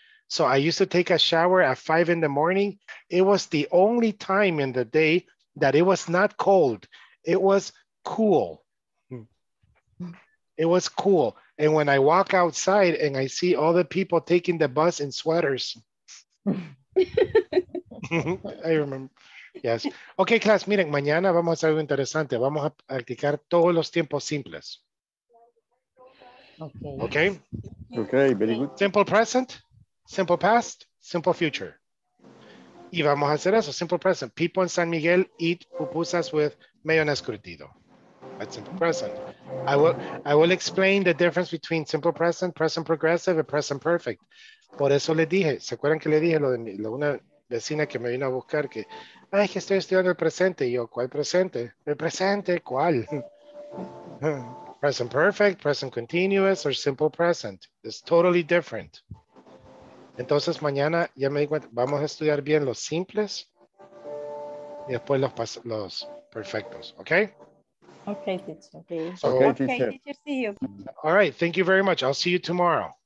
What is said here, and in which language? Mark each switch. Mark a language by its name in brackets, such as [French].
[English] So I used to take a shower at 5 in the morning. It was the only time in the day that it was not cold. It was cool. It was cool. And when I walk outside and I see all the people taking the bus in sweaters, I remember. Yes. Okay, class, [Spanish] miren, mañana vamos a hacer algo interesante. Vamos a practicar todos los tiempos simples. [English] Okay. Okay. Okay, very good. Simple present, simple past, simple future. [Spanish] Y vamos a hacer eso, [English] simple present. People in San Miguel eat pupusas with mayonnaise curtido. That's simple present. I will explain the difference between simple present, present progressive, and present perfect. [Spanish] Por eso le dije, ¿se acuerdan que le dije lo de mi, lo una vecina que me vino a buscar que, ay, que estoy estudiando el presente? Y yo, ¿cuál presente? El presente, ¿cuál? [English] Present perfect, present continuous, or simple present. It's totally different. [Spanish] Entonces mañana ya me di cuenta, vamos a estudiar bien los simples y después los perfectos, okay? [English] Okay, teacher. Okay, teacher. See you. All right, thank you very much. I'll see you tomorrow.